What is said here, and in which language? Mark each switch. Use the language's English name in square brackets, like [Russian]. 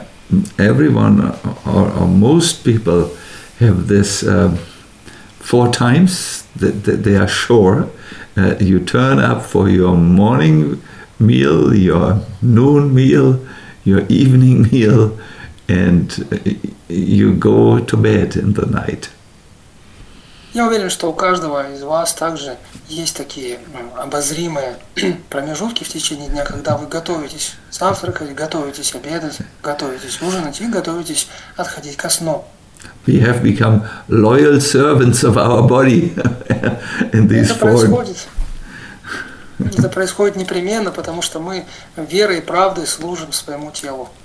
[English] I think everyone or most people have this four times that they are sure. You turn up for your morning meal, your noon meal, your evening meal, and you go to bed in the night. [Russian] Я уверен, что у каждого из вас также есть такие обозримые промежутки в течение дня, когда вы готовитесь завтракать, готовитесь обедать, готовитесь ужинать и готовитесь отходить ко сну. [English] We have become loyal servants of our body in these four. [Russian] Это происходит непременно, потому что мы верой и правдой служим своему телу.